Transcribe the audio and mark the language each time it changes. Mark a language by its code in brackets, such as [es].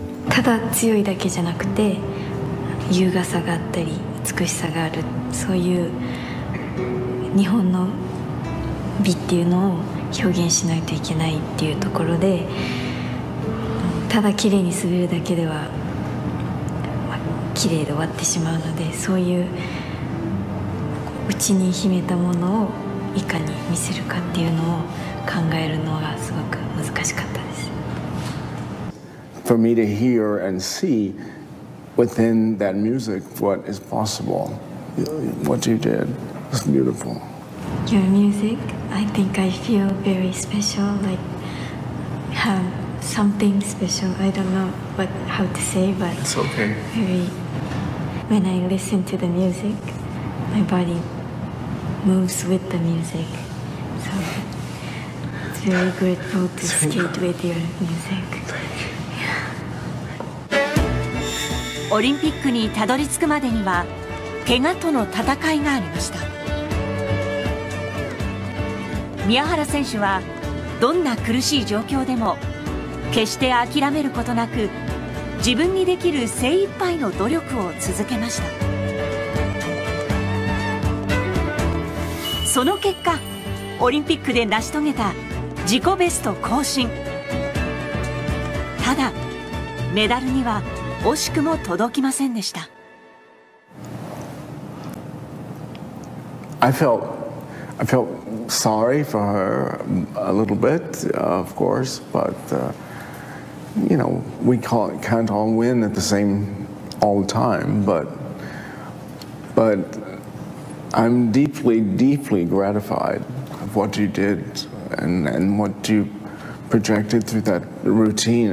[ja] ただ強いだけじゃなくて、優雅さがあったり、美しさがある、そういう日本の美っていうのを表現しないといけないっていうところで、ただ綺麗に滑るだけでは、綺麗で終わってしまうので、そういう内に秘めたものをいかに見せるかっていうのを考えるのがすごく難しかったです。 [en] For me to hear and see within that music what is possible, what you did was beautiful. Your music, I think I feel very special, like have. Something special. I don't know what, how to say, but it's okay. Very, when I listen to the music, my body moves with the music. So it's very grateful to skate with your music. [ja] オリンピックにたどり着くまでには怪我との戦いがありました。宮原選手はどんな苦しい状況でも決して諦めることなく、自分にできる精一杯の努力を続けました。その結果、オリンピックで成し遂げた自己ベスト更新。ただメダルには惜しくも届きませんでした。 [en] I felt sorry for her a little bit, of course, butyou know, we can't all win at the same, all the time, but I'm deeply, deeply gratified of what you did and what you projected through that routine.